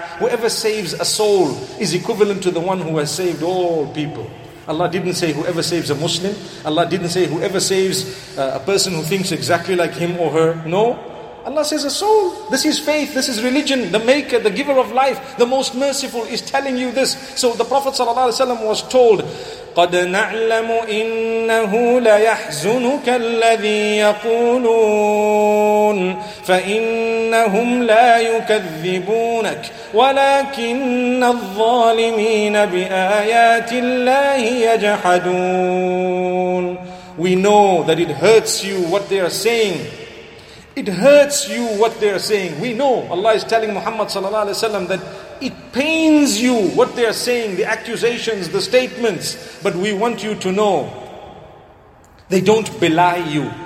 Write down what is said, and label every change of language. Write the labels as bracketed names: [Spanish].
[English] Whoever saves a soul is equivalent to the one who has saved all people. Allah didn't say whoever saves a Muslim. Allah didn't say whoever saves a person who thinks exactly like him or her. No. Allah says a soul. This is faith, this is religion. The maker, the giver of life, the most merciful is telling you this. So the Prophet ﷺ was told, [Arabic] قَدْ نَعْلَمُ إِنَّهُ لَيَحْزُنُكَ الَّذِي يَقُولُونَ فَإِنَّهُمْ لَا يُكَذِّبُونَكَ وَلَكِنَّ الظَّالِمِينَ بِآيَاتِ اللَّهِ يَجْحَدُونَ. [English] We know that it hurts you what they are saying. It hurts you what they are saying. We know Allah is telling Muhammad sallallahu alaihi wasallam that it pains you what they are saying, the accusations, the statements. But we want you to know, they don't belie you.